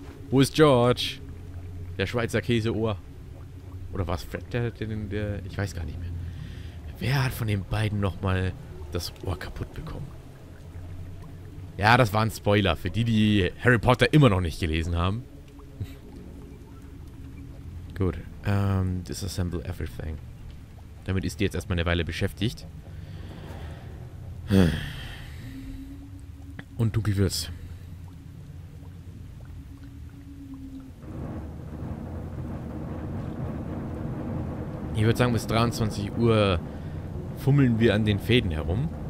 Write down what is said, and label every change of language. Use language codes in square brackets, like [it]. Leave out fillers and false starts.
[de] Wo ist George? Der Schweizer Käseohr. Oder war es Fred, der... Ich weiß gar nicht mehr. Wer hat von den beiden nochmal das Ohr kaputt bekommen? Ja, das war ein Spoiler für die, die Harry Potter immer noch nicht gelesen haben. Gut. [en] Disassemble everything. [de] Damit ist die jetzt erstmal eine Weile beschäftigt. Und dunkel wird's. Ich würde sagen, bis 23 Uhr fummeln wir an den Fäden herum.